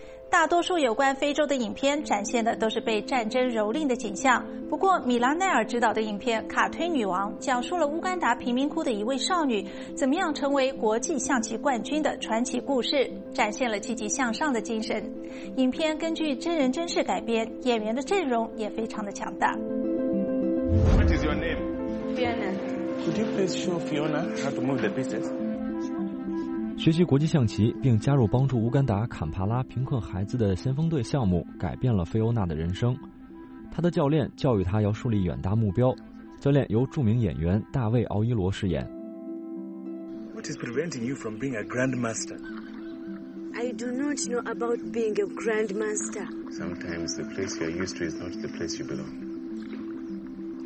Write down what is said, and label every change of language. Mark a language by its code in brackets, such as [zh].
[zh] 大多数有关非洲的影片展现的都是被战争蹂躏的景象，不过米拉奈尔执导的影片《卡推女王》讲述了乌干达贫民窟的一位少女怎么样成为国际象棋冠军的传奇故事，展现了积极向上的精神。影片根据真人真事改编，演员的阵容也非常的强大。 [en] What is your name? Fiona. Could you please show Fiona how to move the pieces? [zh] 学习国际象棋并加入帮助乌干达坎帕拉贫困孩子的先锋队项目，改变了菲欧娜的人生。她的教练教育她要树立远大目标，教练由著名演员大卫·奥伊罗饰演。 [en] What is preventing you from being a grandmaster? I do not know about being a grandmaster. Sometimes the place you are used to is not the place you belong.